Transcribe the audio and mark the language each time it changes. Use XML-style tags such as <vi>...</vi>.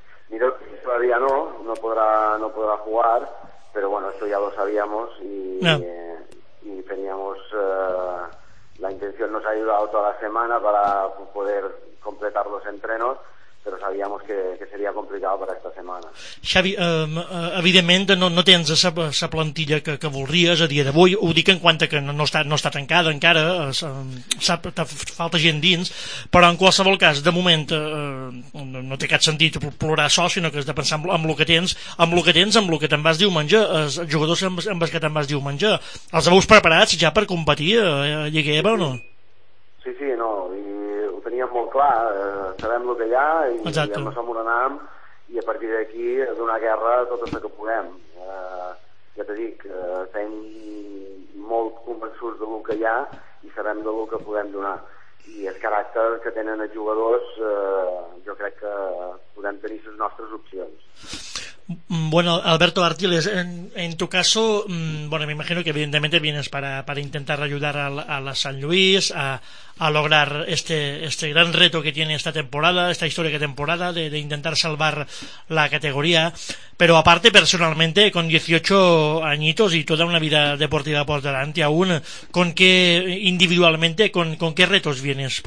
<es>Mirotić todavía no podrá jugar, pero bueno, eso ya lo sabíamos y teníamos la intención, nos ha ayudado toda la semana para poder completar los entrenos,</es> <ca>però sabíem que seria complicat per aquesta setmana. Xavi, evidentment no tens la plantilla que voldries a dia d'avui, ho dic en quant que no està tancada encara, falta gent dins, però en qualsevol cas, de moment no té cap sentit plorar sol, sinó que has de pensar amb el que tens, amb el que te'n vas diumenge, els jugadors amb els que te'n vas diumenge, els veus preparats ja per competir a Lliga EVA o no? Sí, no, teníem molt clar, sabem el que hi ha i ja som on anem, i a partir d'aquí donar guerra a tot el que puguem. Ja t'ho dic, estem molt convençuts del que hi ha i sabem del que podem donar, i el caràcter que tenen els jugadors, jo crec que podem tenir les nostres opcions.</ca> <es>Bueno, Alberto Artiles, en tu caso, bueno, me imagino que evidentemente vienes para intentar ayudar a la San Luis a lograr este gran reto que tiene esta temporada, esta histórica temporada de intentar salvar la categoría, pero aparte personalmente, con 18 añitos y toda una vida deportiva por delante aún, ¿con qué individualmente, con qué retos vienes?</es>